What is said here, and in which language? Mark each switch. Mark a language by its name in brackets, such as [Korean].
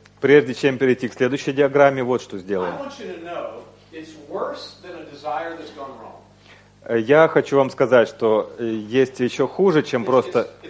[Russian] Прежде чем перейти к следующей диаграмме, вот что сделаем. [English] I want you to know it's worse than a desire that's gone wrong. [Russian] Я хочу вам сказать, что есть еще хуже, чем просто...